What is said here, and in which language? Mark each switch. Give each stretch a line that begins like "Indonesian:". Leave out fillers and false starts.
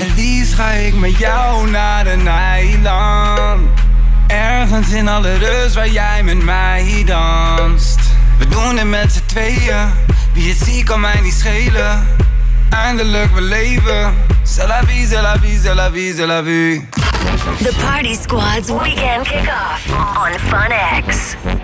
Dutch: En liefst ga ik met jou naar een eiland. Ergens in alle rust waar jij met mij danst. We doen het met z'n tweeën. Wie het ziet kan mij niet schelen. Eindelijk we leven.
French: C'est la vie, c'est la vie, c'est la vie, c'est la vie.
English: The Party Squad's weekend kickoff on Fun X.